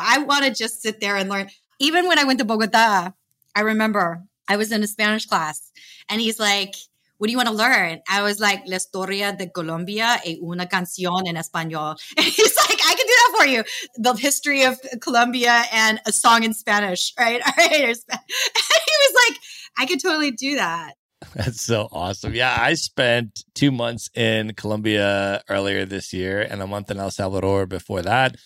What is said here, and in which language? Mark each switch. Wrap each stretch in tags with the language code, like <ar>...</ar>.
<en>I want to just sit there and learn. Even when I went to Bogota, I remember I was in a Spanish class. And he's like, what do you want to learn? I was like,</en> <es>la historia de Colombia y una canción en español.</es> <en>And he's like, I can do that for you. The history of Colombia and a song in Spanish, right? And he was like, I could totally do that. That's so awesome. Yeah, I spent 2 months in Colombia earlier this year and a month in El Salvador before that.</en>